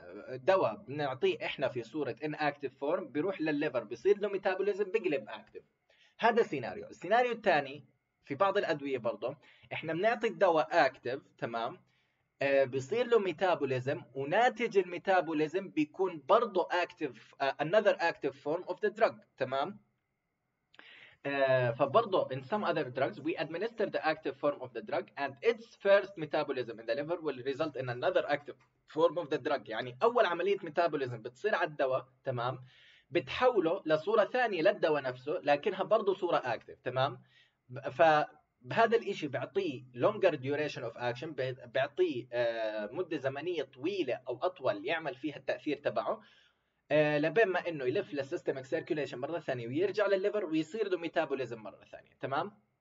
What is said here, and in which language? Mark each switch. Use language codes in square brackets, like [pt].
[ar] دواء بنعطيه احنا في صوره ان اكتيف فورم بيروح للليفر بيصير له ميتابوليزم بقلب اكتيف. هذا سيناريو. السيناريو الثاني في بعض الأدوية برضه إحنا بنعطي الدواء أكتف، تمام؟ [en] بيصير له ميتابوليزم، وناتج الميتابوليزم بيكون برضه active, another active form of the drug، [ar] تمام؟ فبرضه [en] in some other drugs we administer the active form of the drug and its first metabolism in the liver will result in another active form of the drug. [ar] يعني أول عملية ميتابوليزم بتصير على الدواء، تمام؟ بتحوله لصورة ثانية للدواء نفسه لكنها برضه صورة أكتف، تمام؟ فبهذا الاشي بيعطيه [en] longer duration of action، [ar] بيعطيه مدة زمنية طويلة او اطول يعمل فيها التأثير تبعه، لبين ما انه يلف للsystemic circulation مرة ثانية ويرجع للليفر ويصير له metabolism مرة ثانية، تمام؟